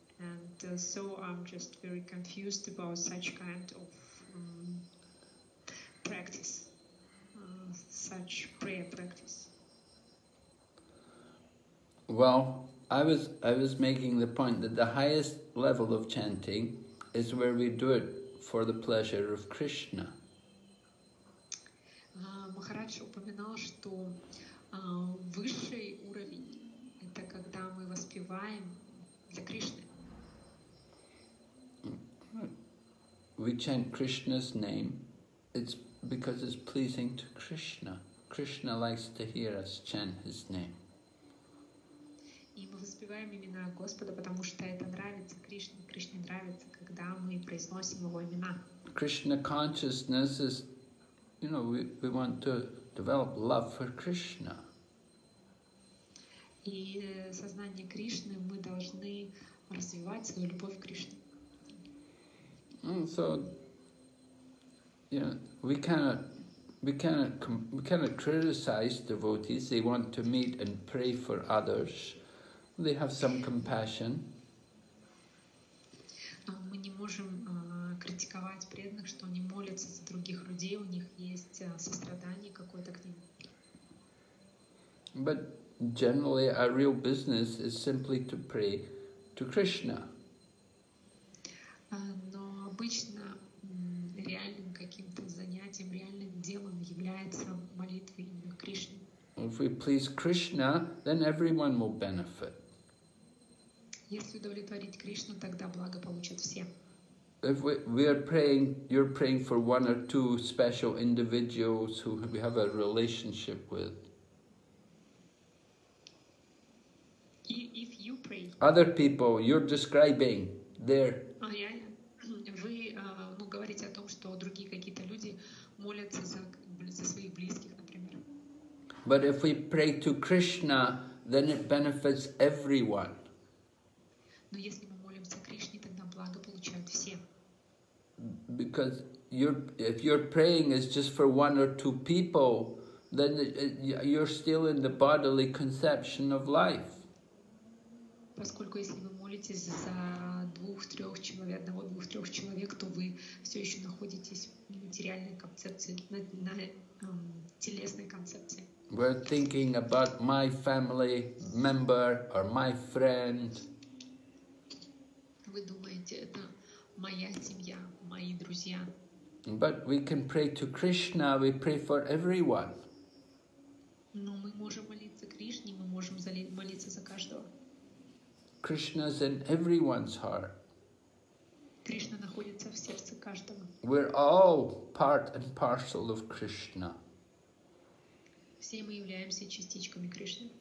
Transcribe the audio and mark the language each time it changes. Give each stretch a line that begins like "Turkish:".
English: And so I'm just very confused about such kind of practice, such prayer practice. Well, I was making the point that the highest level of chanting is where we do it for the pleasure of Krishna.
Russian: Махарадж упоминал, что высший уровень – это когда мы воспеваем для Кришны.
English: We chant Krishna's name, it's because it's pleasing to Krishna. Krishna likes to hear us chant his name.
Russian: И мы воспеваем имена Господа, потому что это нравится Кришне. Кришне нравится, когда мы произносим его имена.
English: Krishna consciousness is, you know, we want to develop love for Krishna.
Russian: И сознание Кришны мы должны развивать свою любовь к Кришне.
English: So, you know, we cannot criticize devotees. They want to meet and pray for others. They have some compassion.
Russian: Мы не можем критиковать преданных, что они молятся за других людей. У них есть сострадание какое-то к ним.
English: But generally, our real business is simply to pray to Krishna.
Russian: Но обычно реальным каким-то занятием, реальным делом является молитва именно Кришне.
English: If we please Krishna, then everyone will benefit.
Russian: Если удовлетворить Кришну, тогда благо получат все.
English: If we are praying, you're praying for one or two special individuals who we have a relationship with. If you pray. Other people, you're describing their.
Russian: Вы говорите о том, что другие какие-то люди молятся за своих близких, например.
English: But if we pray to Krishna, then it benefits everyone.
Russian: Но если мы молимся Кришне, тогда благо получают все.
English: Because if your praying is just for one or two people, then you're still in the bodily conception of life.
Russian: Поскольку если вы молитесь за двух-трех человек, одного-двух-трех человек, то вы все еще находитесь в материальной концепции, на телесной концепции.
English: We're thinking about my family member or my friend.
Russian: Вы думаете, это моя семья, мои друзья.
English: But we can pray to Krishna, we pray for everyone.
Russian: Но мы можем молиться Кришне, мы можем молиться за каждого.
English: Krishna's in everyone's heart.
Russian: Кришна находится в сердце каждого.
English: We're all part and parcel of Krishna.
Russian: Все мы являемся частичками Кришны.